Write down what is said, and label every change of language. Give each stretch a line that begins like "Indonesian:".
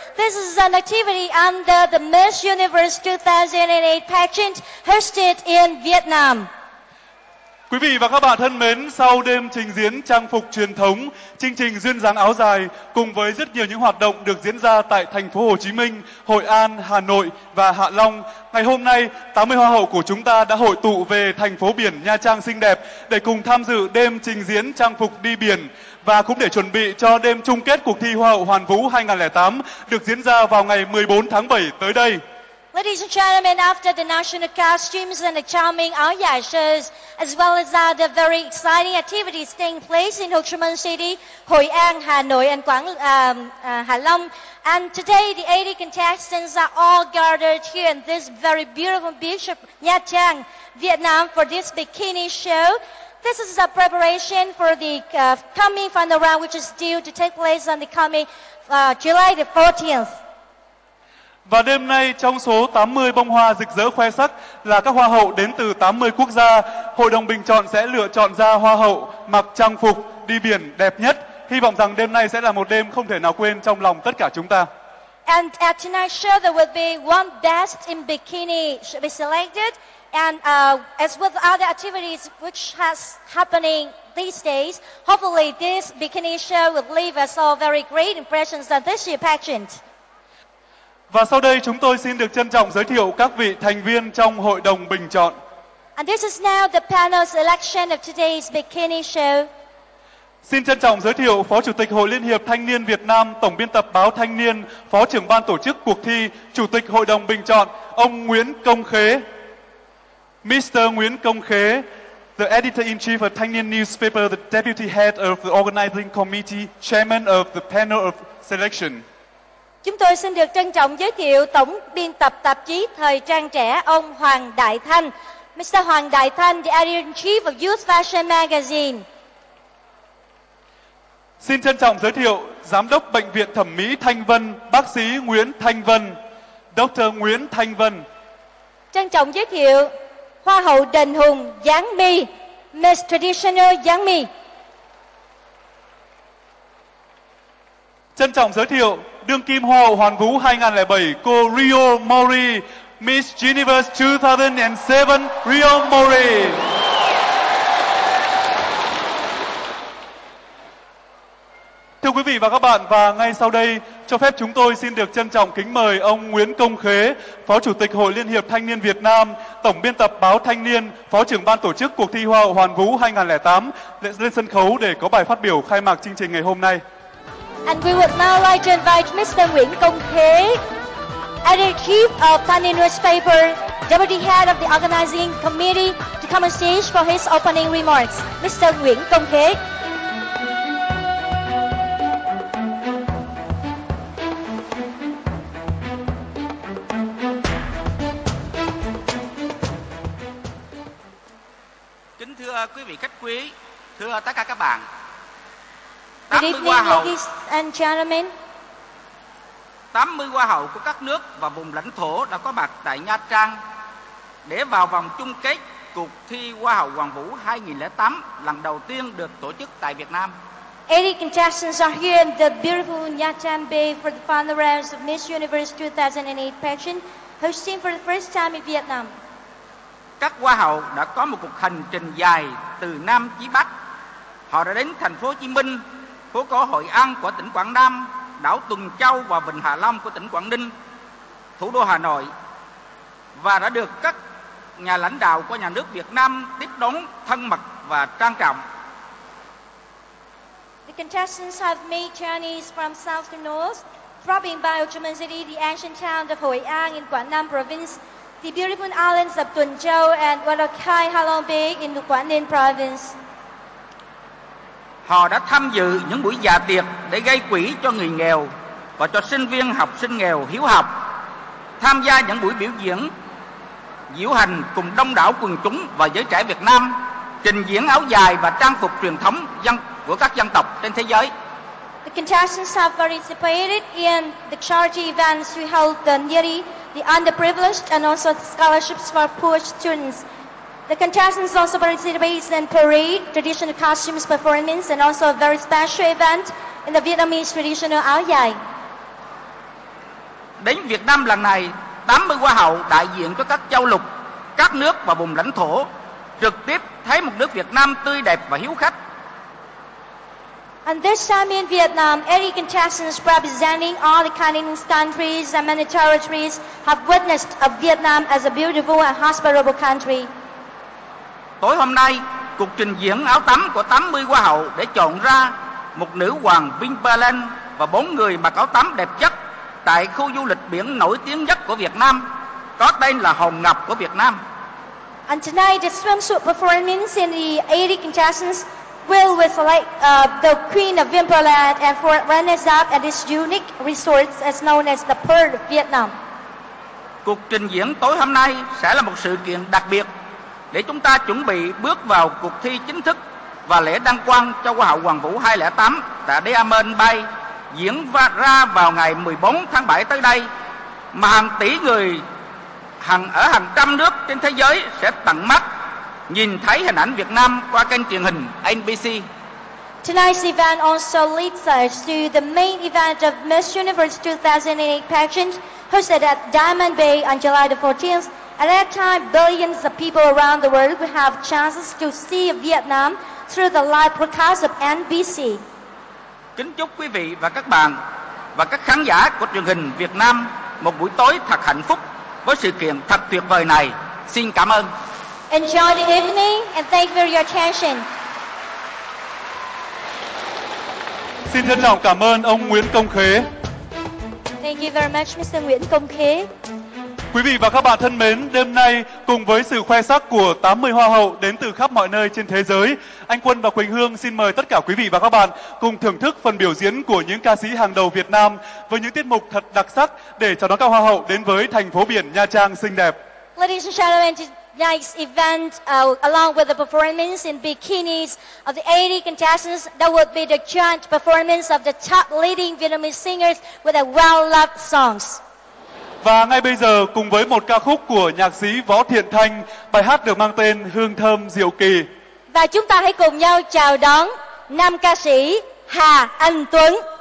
English: This is an activity under the Miss Universe 2008 pageant hosted in Vietnam.
Vietnamese: Quý vị và các bạn thân mến, sau đêm trình diễn trang phục truyền thống, chương trình duyên dáng áo dài cùng với rất nhiều những hoạt động được diễn ra tại thành phố Hồ Chí Minh, Hội An, Hà Nội và Hạ Long, ngày hôm nay 80 hoa hậu của chúng ta đã hội tụ về thành phố biển Nha Trang xinh đẹp để cùng tham dự đêm trình diễn trang phục đi biển và cũng để chuẩn bị cho đêm chung kết cuộc thi Hoa hậu Hoàn vũ 2008 được diễn ra vào ngày 14 tháng 7 tới đây.
English: Ladies and gentlemen, after the national costumes and the charming áo dài shows, as well as other very exciting activities taking place in Ho Chi Minh City, Hội An, Hà Nội and Hạ Long, and today the 80 contestants are all gathered here in this very beautiful beach of Nha Trang, Vietnam, for this bikini show. This is a preparation for the coming final round, which is due to take place on the coming July the 14th.
Vietnamese: Và đêm nay, trong số 80 bông hoa rực rỡ khoe sắc là các hoa hậu đến từ 80 quốc gia, hội đồng bình chọn sẽ lựa chọn ra hoa hậu mặc trang phục đi biển đẹp nhất. Hy vọng rằng đêm nay sẽ là một đêm không thể nào quên trong lòng tất cả chúng ta.
English: And at tonight's show, there will be one best in bikini should be selected. And as with other activities which has happening these days, hopefully this bikini show will leave us all very great impressions on this year's pageant.
Vietnamese: Và sau đây chúng tôi xin được trân trọng giới thiệu các vị thành viên trong hội đồng bình chọn.
English: And this is now the panel's election of today's bikini show.
Vietnamese: Xin trân trọng giới thiệu Phó Chủ tịch Hội Liên hiệp Thanh niên Việt Nam, Tổng biên tập báo Thanh niên, Phó trưởng ban tổ chức cuộc thi, Chủ tịch Hội đồng bình chọn, ông Nguyễn Công Khế.
English: Mr. Nguyễn Công Khế, the Editor-in-Chief of Thanh niên Newspaper, the Deputy Head of the Organizing Committee, Chairman of the Panel of Selection.
Vietnamese: Chúng tôi xin được trân trọng giới thiệu Tổng biên tập tạp chí Thời trang trẻ, ông Hoàng Đại Thanh.
English: Mr. Hoàng Đại Thanh, the Editor-in-Chief of Youth Fashion Magazine.
Vietnamese: Xin trân trọng giới thiệu Giám đốc Bệnh viện Thẩm mỹ Thanh Vân, bác sĩ Nguyễn Thanh Vân, Dr. Nguyễn Thanh Vân. Trân trọng giới thiệu Hoa hậu Đình Hùng Giáng My, Miss Traditional Giáng My. Trân trọng giới thiệu đương kim Hoa hậu Hoàn vũ 2007, cô Rio Mori, Miss Universe 2007, Rio Mori. Thưa quý vị và các bạn, và ngay sau đây, cho phép chúng tôi xin được trân trọng kính mời ông Nguyễn Công Khế, Phó Chủ tịch Hội Liên hiệp Thanh niên Việt Nam, Tổng biên tập báo Thanh niên, Phó trưởng ban tổ chức cuộc thi Hoa hậu Hoàn vũ 2008 lên sân khấu để có bài phát biểu khai mạc chương trình ngày hôm nay.
English: And we would now like to invite Mr. Nguyễn Công Khế, Editor-in-Chief of Thanh Niên Newspaper, Deputy Head of the Organizing Committee, to come on stage for his opening remarks. Mr. Nguyễn Công Khế.
Vietnamese: Kính thưa quý vị khách quý, thưa tất cả các bạn.
English: Good evening, ladies and gentlemen.
Vietnamese: 80 hoa hậu của các nước và vùng lãnh thổ đã có mặt tại Nha Trang để vào vòng chung kết cuộc thi Hoa hậu Hoàn Vũ 2008 lần đầu tiên được tổ chức tại Việt Nam.
English: 80 contestants are here in the beautiful Nha Trang Bay for the final rounds of Miss Universe 2008 pageant, hosting for the first time in Vietnam.
Vietnamese: Các Hoa hậu đã có một cuộc hành trình dài từ Nam chí Bắc. Họ đã đến thành phố Hồ Chí Minh, phố cổ Hội An của tỉnh Quảng Nam, đảo Tuần Châu và Vịnh Hạ Long của tỉnh Quảng Ninh, thủ đô Hà Nội, và đã được các nhà lãnh đạo của nhà nước Việt Nam tiếp đón thân mật và trang trọng.
English: The contestants have made journeys from south to north, dropping by Ho Chi Minh City, the ancient town of Hội An in Quảng Nam province, the beautiful islands of Tuần Châu and Wallachai Hạ Long Bay in Quảng Ninh province.
Vietnamese: Họ đã tham dự những buổi dạ tiệc để gây quỹ cho người nghèo và cho sinh viên học sinh nghèo hiếu học, tham gia những buổi biểu diễn diễu hành cùng đông đảo quần chúng và giới trẻ Việt Nam, trình diễn áo dài và trang phục truyền thống của các dân tộc trên thế giới.
English: The contestants have participated in the charity events we held the needy, the underprivileged and also scholarships for poor students. The contestants also participated in parade, traditional costumes performance and also a very special event in the Vietnamese traditional áo dài.
Vietnamese: Đến Việt Nam lần này, 80 hoa hậu đại diện cho các châu lục, các nước và vùng lãnh thổ trực tiếp thấy một nước Việt Nam tươi đẹp và hiếu khách.
English: And this time in Vietnam, 80 contestants representing all the continents, countries and many territories have witnessed a Vietnam as a beautiful and hospitable country.
Vietnamese: Tối hôm nay, cuộc trình diễn áo tắm của 80 hoa hậu để chọn ra một nữ hoàng Vinh Ba Lan và 4 người mặc áo tắm đẹp nhất tại khu du lịch biển nổi tiếng nhất của Việt Nam, có tên là Hòn Ngọc của Việt Nam.
English: And tonight, the swimsuit performance in the 80 contestants will with like the Queen of Vinpearland and for runners-up at this unique resort as known as the Pearl of Vietnam.
Vietnamese: Cuộc trình diễn tối hôm nay sẽ là một sự kiện đặc biệt để chúng ta chuẩn bị bước vào cuộc thi chính thức và lễ đăng quang cho Hoa hậu Hoàn Vũ 2008 tại Diamond Bay, diễn ra vào ngày 14 tháng 7 tới đây, mà hàng tỷ người ở hàng trăm nước trên thế giới sẽ tận mắt nhìn thấy hình ảnh Việt Nam qua kênh truyền hình NBC.
English: Tonight's event also leads us to the main event of Miss Universe 2008 pageant hosted at Diamond Bay on July the 14th. At that time, billions of people around the world will have chances to see Vietnam through the live broadcast of NBC.
Vietnamese: Kính chúc quý vị và các bạn và các khán giả của truyền hình Việt Nam một buổi tối thật hạnh phúc với sự kiện thật tuyệt vời này. Xin cảm ơn.
English: Enjoy the evening and thank you for your attention.
Vietnamese: Xin trân trọng cảm ơn ông Nguyễn Công Khế.
English: Thank you very much, Mr. Nguyễn Công Khế.
Vietnamese: Quý vị và các bạn thân mến, đêm nay cùng với sự khoe sắc của 80 hoa hậu đến từ khắp mọi nơi trên thế giới, anh Quân và Quỳnh Hương xin mời tất cả quý vị và các bạn cùng thưởng thức phần biểu diễn của những ca sĩ hàng đầu Việt Nam với những tiết mục thật đặc sắc để chào đón các hoa hậu đến với thành phố biển Nha Trang xinh đẹp.
English: Ladies and gentlemen, tonight's event along with the performance in bikinis of the 80 contestants, that would be the joint performance of the top leading Vietnamese singers with their well-loved songs.
Vietnamese: Và ngay bây giờ, cùng với một ca khúc của nhạc sĩ Võ Thiện Thanh, bài hát được mang tên Hương Thơm Diệu Kỳ. Và chúng ta hãy cùng nhau chào đón nam ca sĩ Hà Anh Tuấn.